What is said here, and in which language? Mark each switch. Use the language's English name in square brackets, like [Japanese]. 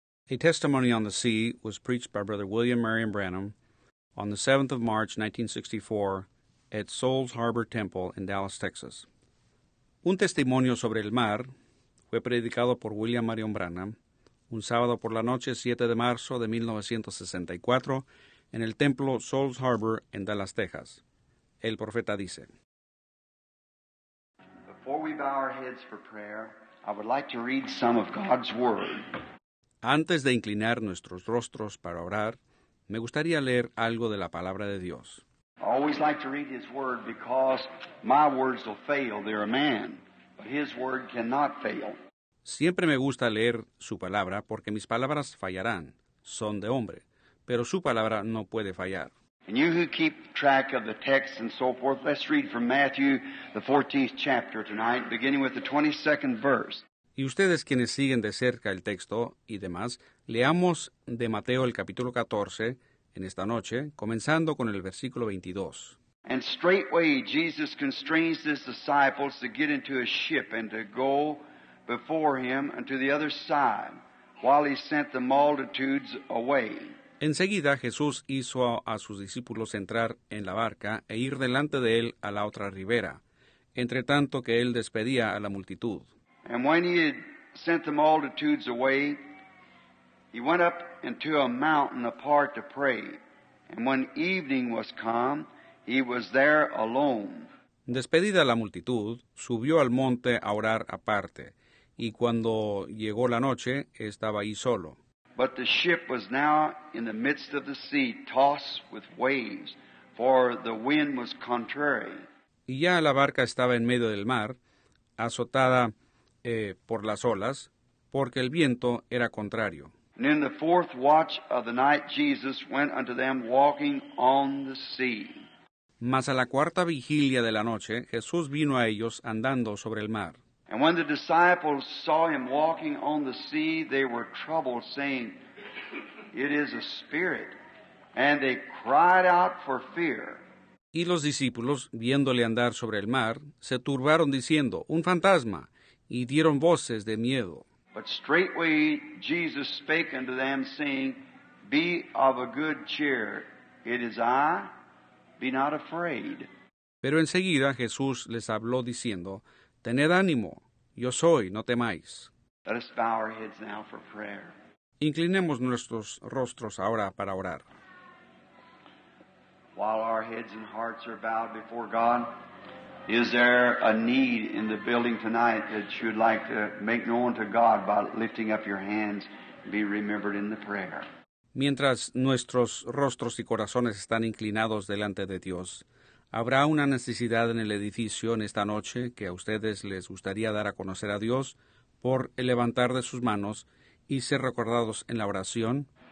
[English] A testimony on the sea was preached by Brother William Marion Branham on the 7th of March, 1964, at Souls Harbor Temple in Dallas, Texas. [Spanish] Un testimonio sobre el mar fue predicado por William Marion Branham un sábado por la noche, 7 de marzo de 1964, en el templo Souls Harbor en Dallas, Texas. El profeta dice: [English] Before we bow our heads for prayer, I would like to read some of God's word. [Spanish] Antes de inclinar nuestros rostros para orar, me gustaría leer algo de la palabra de Dios. [English] I always like to read His word because my words will fail. They're a man, but His word cannot fail. [Spanish] Siempre me gusta leer su palabra porque mis palabras fallarán. Son de hombre, pero su palabra no puede fallar. [English] And you who keep track of the text and so forth, let's read from Matthew, the 14th chapter tonight, beginning with the 22nd verse. [Spanish] Y ustedes quienes siguen de cerca el texto y demás, leamos de Mateo el capítulo 14 en esta noche, comenzando con el versículo 22. [English] And straightway Jesus constrains his disciples to get into a ship and to go before him unto the other side, while he sent the multitudes away. [Spanish] Enseguida Jesús hizo a sus discípulos entrar en la barca e ir delante de él a la otra ribera, entre tanto que él despedía a la multitud. [English] And when he had sent the multitudes away, he went up into a mountain apart to pray. And when evening was come, he was there alone. [Spanish] Despedida la multitud, subió al monte a orar aparte. Y cuando llegó la noche, estaba ahí solo. [English] But the ship was now in the midst of the sea, tossed with waves, for the wind was contrary. [Spanish] Y ya la barca estaba en medio del mar, azotada por las olas, porque el viento era contrario. [English] And in the fourth watch of the night, Jesus went unto them walking on the sea. [Spanish] Mas a la cuarta vigilia de la noche, Jesús vino a ellos andando sobre el mar. [English] And when the disciples saw him walking on the sea, they were troubled, saying, It is a spirit. And they cried out for fear. [Spanish] Y los discípulos, viéndole andar sobre el mar, se turbaron diciendo, Un fantasma. Y dieron voces de miedo. [English] But straightway Jesus spake unto them, saying, Be of a good cheer, it is I, be not afraid. [Spanish] Pero enseguida Jesús les habló diciendo, Tened ánimo, yo soy, no temáis. [English] Let us bow our heads now for prayer. [Spanish] Inclinemos nuestros rostros ahora para orar. [English] While our heads and hearts are bowed before God, Is there a need in the building tonight that you'd like to make known to God by lifting up your hands and be remembered in the prayer? [Spanish] Mientras nuestros rostros y corazones están inclinados delante de Dios, ¿habrá una necesidad en el edificio en esta noche que a ustedes les gustaría dar a conocer a Dios por el levantar de sus manos y ser recordados en la oración?